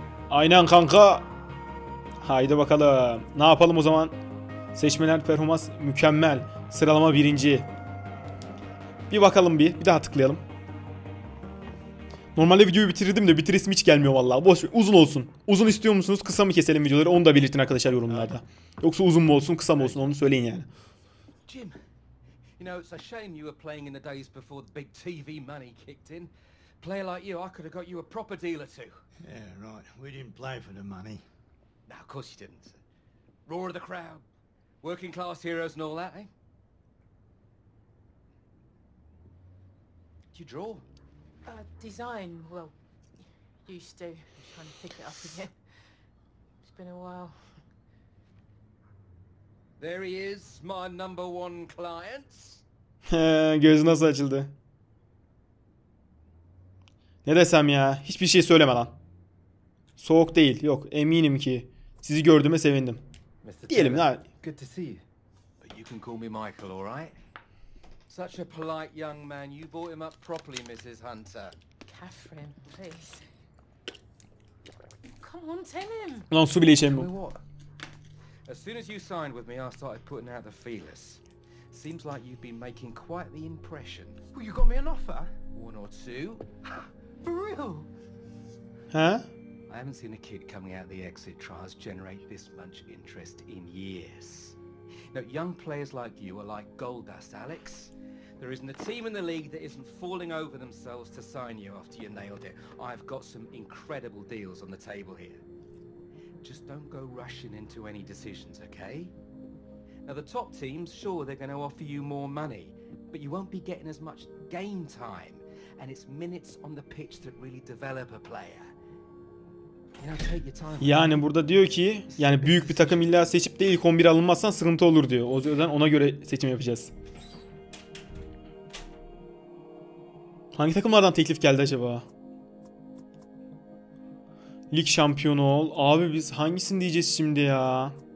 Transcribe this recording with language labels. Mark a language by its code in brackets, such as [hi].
[tr] Aynen kanka. Haydi bakalım. Ne yapalım o zaman? Seçmeler performans mükemmel. Sıralama birinci. Bir bakalım bir. Bir daha tıklayalım. Normalde videoyu bitirirdim de bitiresim hiç gelmiyor vallahi. Boş ver. Uzun olsun. Uzun istiyor musunuz? Kısa mı keselim videoları? Onu da belirtin arkadaşlar yorumlarda. Yoksa uzun mu olsun, kısa mı olsun onu söyleyin yani. [en] Jim. You know it's a shame you were playing in the days before the big TV money kicked in. Player like you, I could have got you a proper deal or two. Yeah, right. We didn't play for the money. No, of course you didn't. Roar of the crowd. Working class heroes and all that, eh? Do you draw? Design, well, used to. I'm trying to pick it up again. It's been a while. There he is, my number one client. [tr] Gözü nasıl açıldı? Ne desem ya? Hiçbir şey söyleme lan. Soğuk değil. Yok, eminim ki sizi gördüğüme sevindim. Diyelim ha. [en] Good to see you. You can call me Michael, all right? Such a polite young man. You brought him up properly, Mrs. Hunter. Catherine, please. Come on, tell him. [tr] Lan su bile içelim bu. [en] As soon as you signed with me, I started putting out the feelers. Seems like you've been making quite the impression. Well, you got me an offer. One or two. For real? Huh? I haven't seen a kid coming out of the exit trials generate this much interest in years. Now, young players like you are like gold dust, Alex. There isn't a team in the league that isn't falling over themselves to sign you after you nailed it. I've got some incredible deals on the table here. Just don't go rushing into any decisions, okay? Now, the top teams, sure, they're going to offer you more money, but you won't be getting as much game time, and it's minutes on the pitch that really develop a player. [tr] Yani burada diyor ki, yani büyük bir takım illa seçip de ilk 11 alınmazsan sıkıntı olur diyor. O yüzden ona göre seçim yapacağız. Hangi takımlardan teklif geldi acaba? Lig şampiyonu ol. Abi biz hangisini diyeceğiz şimdi ya?